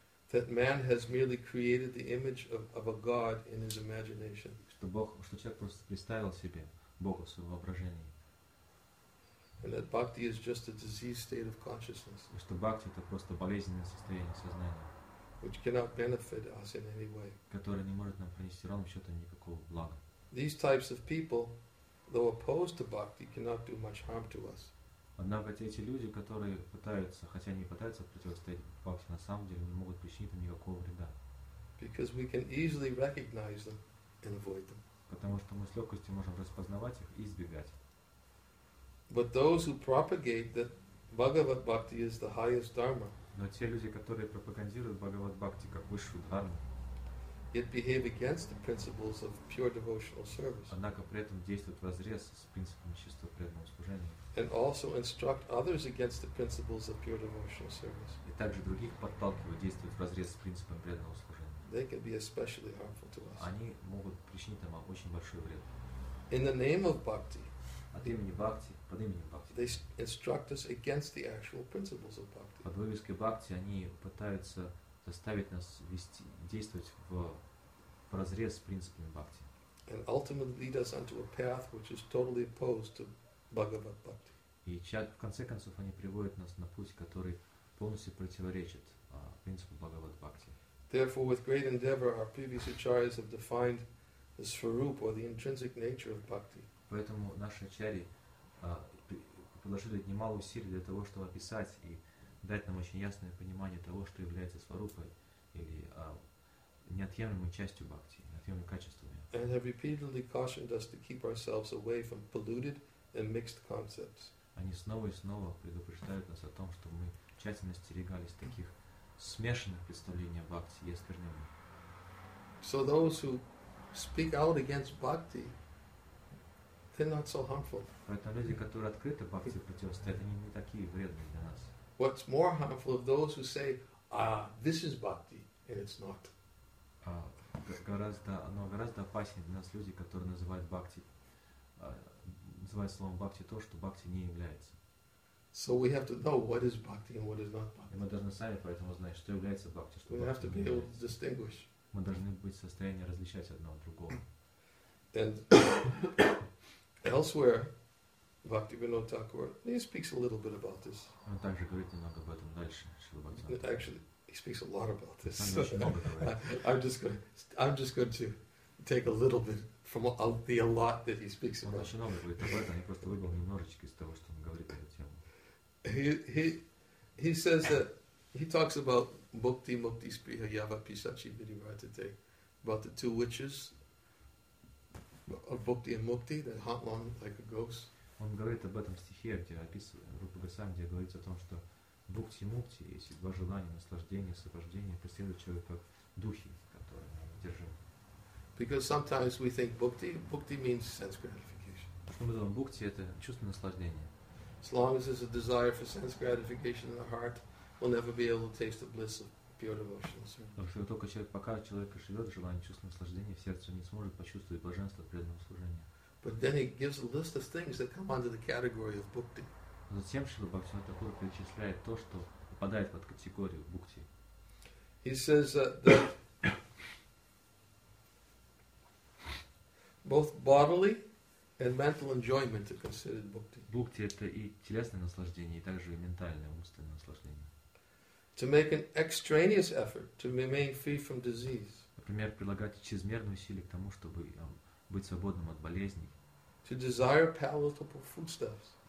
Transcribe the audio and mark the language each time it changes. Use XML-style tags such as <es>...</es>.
<en>That man has merely created the image of a God in his imagination.</en> <ru>Что Бог, что человек просто представил себе Бога в своем воображении.</ru> <en>And that bhakti is just a diseased state of consciousness.</en> <ru>Что бхакти — это просто болезненное состояние сознания.</ru> <en>which cannot benefit us in any way.</en> <ru>Которые не могут нам принести ровным счетом никакого блага.</ru> <en>These types of people, though opposed to bhakti, cannot do much harm to us.</en> <ru>Однако эти люди, которые пытаются, хотя они пытаются противостоять бхакти, на самом деле не могут причинить им никакого вреда.</ru> <en>Because we can easily recognize them and avoid them.</en> <ru>Потому что мы с легкостью можем распознавать их и избегать.</ru> <en>But those who propagate that Bhagavad Bhakti is the highest dharma.</en> <ru>Но те люди, которые пропагандируют Бхагавад Бхакти как высшую дхарму,</ru> <en>yet behave against the principles of pure devotional service.</en> <ru>Однако при этом действуют вразрез с принципами чистого преданного служения.</ru> <en>And also instruct others against the principles of pure devotional service.</en> <ru>И также других подталкивают действовать вразрез с принципами преданного служения.</ru> <en>They can be especially harmful to us.</en> <ru>Они могут причинить нам очень большой вред.</ru> <en>In the name of bhakti.</en> <ru>От имени бхакти, под именем бхакти.</ru> <en>They instruct us against the actual principles of bhakti.</en> <ru>Под вывеской бхакти они пытаются заставить нас вести, действовать в разрез с принципами бхакти.</ru> <en>And ultimately lead us onto a path which is totally opposed to Bhagavad Bhakti.</en> <ru>И в конце концов они приводят нас на путь, который полностью противоречит принципу Бхагавад Бхакти.</ru> <en>Therefore, with great endeavor, our previous acharyas have defined the swarup or the intrinsic nature of bhakti.</en> <ru>Поэтому наши ачари приложили немало усилий для того, чтобы описать и дать нам очень ясное понимание того, что является сварупой или неотъемлемой частью бхакти, неотъемлемым качеством.</ru> <en>And have repeatedly cautioned us to keep ourselves away from polluted and mixed concepts.</en> <ru>Они снова и снова предупреждают нас о том, что мы тщательно остерегались таких смешанных представлений о бхакти и оскверненных.</ru> <en>So those who speak out against bhakti, they're not so harmful.</en> <ru>Поэтому люди, которые открыто бхакти противостоят, они не такие вредные для нас.</ru> <en>What's more harmful of those who say, this is bhakti, and it's not.</en> <ru>Гораздо опаснее для нас люди, которые называют бхакти, называют словом бхакти то, что бхакти не является.</ru> <en>So we have to know what is bhakti and what is not bhakti.</en> <ru>И мы должны сами поэтому знать, что является бхакти, что</ru> <en>we have to be able to distinguish.</en> <ru>Мы должны быть в состоянии различать одно от другого.</ru> <en>And elsewhere, Bhaktivinoda Thakur, he speaks a little bit about this.</en> <ru>Он также говорит немного об этом дальше, Шрила</ru> <en>Бхактивинода. Actually, he speaks a lot about this. I'm just going to take a little bit from the a lot that he speaks about.</en> <ru>Он очень много говорит об этом, я просто выбрал немножечко из того, что он говорит на эту тему.</ru> <en>He says that he talks about</en> <sa>Bhakti Mukti Spriha Yava Pisachi Vidivartite,</sa> <en>about the two witches of Bhakti and Mukti that hunt long like a ghost.</en> <ru>Он говорит об этом стихе, где описывает Рупа Гасам, где говорится о том, что бхукти мукти, есть два желания, наслаждение, освобождение, преследуют человека как духи, которые держим.</ru> <en>Because sometimes we think bhukti means sense gratification.</en> <ru>Что мы думаем, бхукти это чувство наслаждения.</ru> <en>As long as there's a desire for sense gratification in the heart, we'll never be able to taste the bliss of pure devotional service.</en> <ru>Потому что только человек, пока человек живет желание чувства наслаждения, в сердце не сможет почувствовать блаженство преданного служения.</ru> <en>But then he gives a list of things that come under the category of bhukti.</en> <ru>Затем Шрила Бхактивинода Тхакур перечисляет то, что попадает под категорию бхукти.</ru> <en>He says that both bodily and mental enjoyment are considered bhukti.</en> <ru>Бхукти это и телесное наслаждение, и также и ментальное, умственное наслаждение.</ru> <en>To make an extraneous effort to remain free from disease.</en> <ru>Например, прилагать чрезмерные усилия к тому, чтобы быть свободным от болезней.</ru> <en>To desire palatable foodstuffs.</en>